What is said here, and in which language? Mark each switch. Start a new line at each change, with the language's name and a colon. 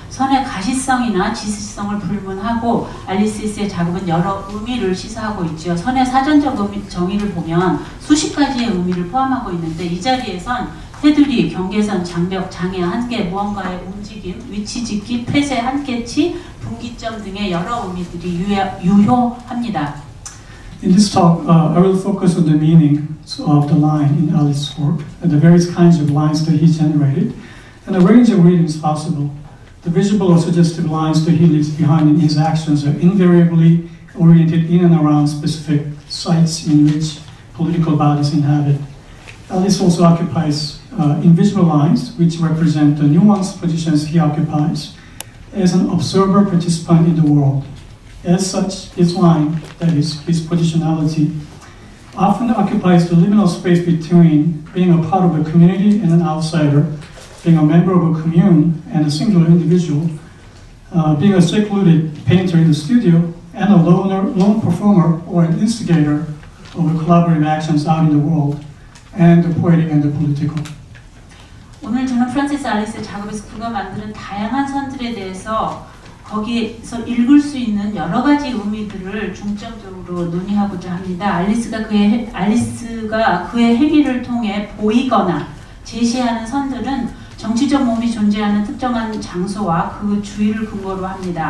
Korean: 선의 가시성이나 지시성을 불문하고 알리스의 작업은 여러 의미를 시사하고 있죠. 선의 사전적 정의를 보면 수십 가지의 의미를 포함하고 있는데 이 자리에선 테두리, 경계선, 장벽, 장애, 한계, 무언가의 움직임, 위치짓기, 폐쇄, 한계치, 분기점 등의 여러 의미들이 유효합니다.
English: In this talk, I will focus on the meaning of the line in Alice's work and the various kinds of lines that he generated and a range of readings possible. The visible or suggestive lines that he leaves behind in his actions are invariably oriented in and around specific sites in which political bodies inhabit. Alice also occupies invisible lines, which represent the nuanced positions he occupies as an observer participant in the world. As such, his line, that is, his positionality, often occupies the liminal space between being a part of a community and an outsider, being a member of a commune and a singular individual, being a secluded painter in the studio, and a lone performer or an instigator of collaborative actions out in the world, and the poetic and the political.
Korean: 오늘 저는 프란시스 알리스의 작업에서 그가 만드는 다양한 선들에 대해서 거기에서 읽을 수 있는 여러 가지 의미들을 중점적으로 논의하고자 합니다. 알리스가 그의 행위를 통해 보이거나 제시하는 선들은 정치적 몸이 존재하는 특정한 장소와 그 주위를 근거로 합니다.